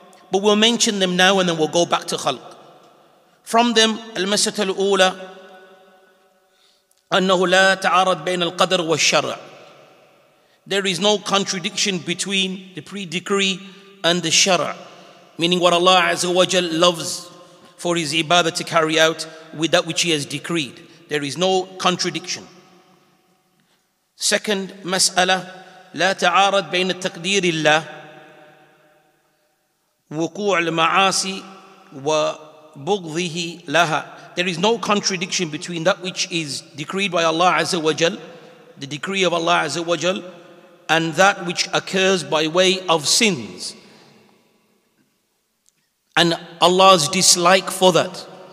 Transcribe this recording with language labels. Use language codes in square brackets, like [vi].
[en] But we'll mention them now and then we'll go back to khalq. From them, [ar] al-masat al-ula, annahu la ta'arad bayna al-qadr wa al-shar'. [en] There is no contradiction between the pre-decree and the shara, meaning what Allah Azza wa Jal loves for His ibadah to carry out with that which He has decreed. There is no contradiction. Second mas'ala, [ar] لا تعارض بين تقدير الله وقوع المعاصي وبغضه لها. [en] There is no contradiction between that which is decreed by Allah Azza wa Jal, the decree of Allah Azza wa Jal, and that which occurs by way of sins, and Allah's dislike for that.